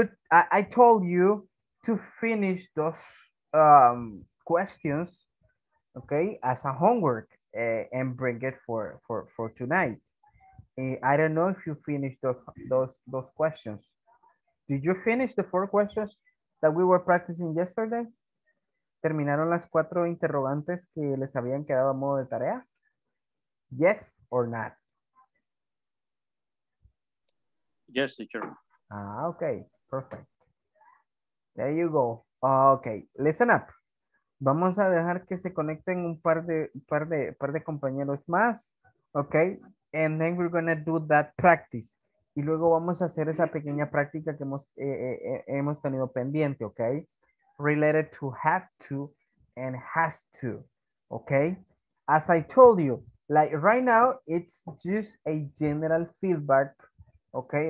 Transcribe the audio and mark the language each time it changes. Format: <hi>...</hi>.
<en>I told you to finish those questions, okay, as a homework and bring it for tonight. I don't know if you finished those questions. Did you finish the four questions that we were practicing yesterday?</en> <es>¿Terminaron las cuatro interrogantes que les habían quedado a modo de tarea?</es> <en>Yes or not? Yes, teacher. Okay, perfect. There you go. Okay, listen up.</en> <es>Vamos a dejar que se conecten un par de compañeros más.</es> <en>Okay, and then we're going to do that practice.</en> <es>Y luego vamos a hacer esa pequeña práctica que hemos tenido pendiente, okay?</es> <en>Related to have to and has to, okay? As I told you, like right now, it's just a general feedback, okay?</en>